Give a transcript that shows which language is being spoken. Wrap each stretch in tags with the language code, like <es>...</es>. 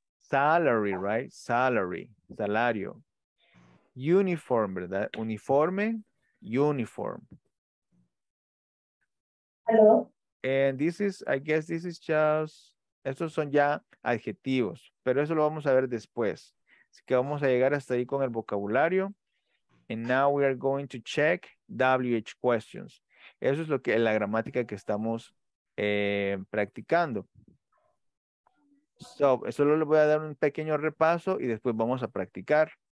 <en>Salary, right? Salary. Salario. Uniform, ¿verdad? Uniforme. Uniform. Hello. And this is, I guess this is just,</en> <es>estos son ya adjetivos, pero eso lo vamos a ver después. Así que vamos a llegar hasta ahí con el vocabulario.</es> <en>And now we are going to check WH questions.</en> <es>Eso es lo que la gramática que estamos practicando. So, solo le voy a dar un pequeño repaso y después vamos a practicar.</es>